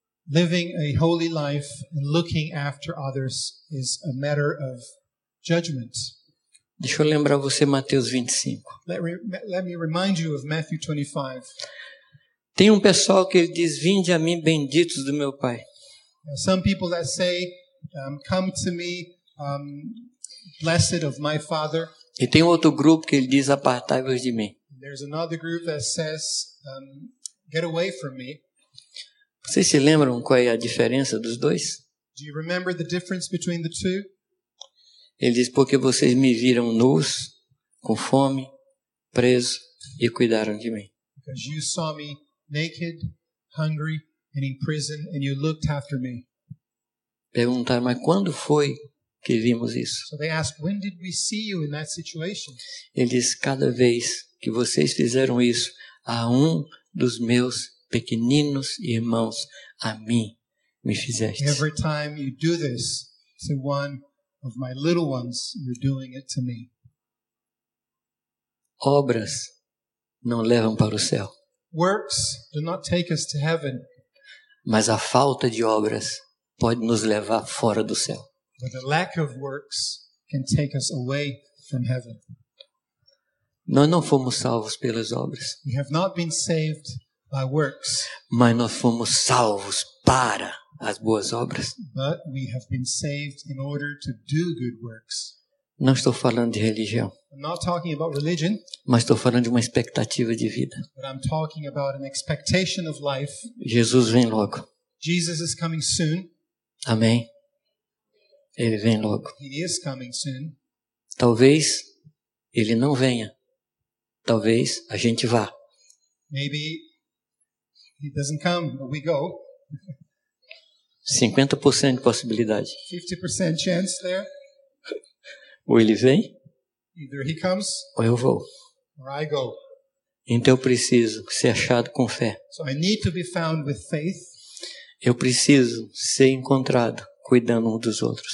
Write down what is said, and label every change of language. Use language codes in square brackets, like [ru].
[en] Living a holy life and looking after others is a matter of judgment. [pt] Deixa eu lembrar você Mateus 25. [en] Let me remind you of Matthew 25. [pt] Tem um pessoal que ele diz, vinde a mim, benditos do meu Pai. [en] Some people that say, come to me, blessed of my Father. [pt] E tem outro grupo que ele diz, apartai-vos de mim. [en] There's another group that says, get away from me. [pt] Vocês se lembram qual é a diferença dos dois? [en] Do you remember the difference between the two? [pt] Ele diz, porque vocês me viram nus, com fome, preso e cuidaram de mim. [en] Because you saw me naked, hungry, and in prison, and you looked after me. [pt] Perguntaram, mas quando foi que vimos isso? [en] So they asked, when did we see you in that situation? [pt] Ele diz, cada vez que vocês fizeram isso a um dos meus pequeninos irmãos, a mim me fizeste. [en] Every time you do this to one of my little ones, you're doing it to me. [pt] Obras não levam para o céu. [en] Works do not take us to heaven. [pt] Mas a falta de obras pode nos levar fora do céu. [en] But the lack of works can take us away from heaven. [pt] Nós não fomos salvos pelas obras. [en] We have not been saved by works. [pt] Mas nós fomos salvos para as boas obras. [en] But we have been saved in order to do good works. [pt] Não estou falando de religião. [en] I'm not talking about religion. [pt] Mas estou falando de uma expectativa de vida. [en] But I'm talking about an expectation of life. [pt] Jesus vem logo. [en] Jesus is coming soon. [pt] Amém. Ele vem logo. [en] He is coming soon. [pt] Talvez ele não venha. Talvez a gente vá. [en] Maybe he doesn't come, but we go. [pt] 50% de possibilidade. [en] 50% chance there. [pt] Ou ele vem. [en] Either he comes, [pt] ou eu vou. [en] Or I go. [pt] Então eu preciso ser achado com fé. [en] So I need to be found with faith. [pt] Eu preciso ser encontrado cuidando um dos outros.